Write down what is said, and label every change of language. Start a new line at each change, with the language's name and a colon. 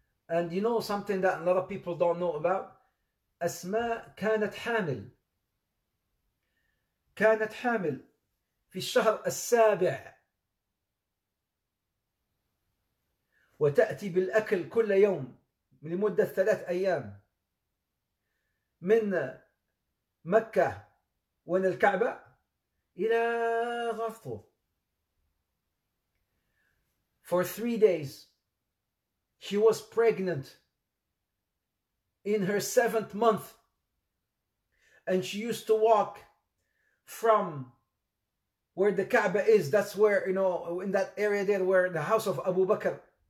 English: And you know something that a lot of people don't know about?
Arabic: Asma كانت حامل. كانت حامل في الشهر السابع. وتأتي بالأكل كل يوم لمدة 3 أيام من مكة وين الكعبة إلى غفطو.
English: For 3 days, she was pregnant in her 7th month, and she used to walk from where the Kaaba is. That's where, you know, in that area there where the house of Abu Bakr.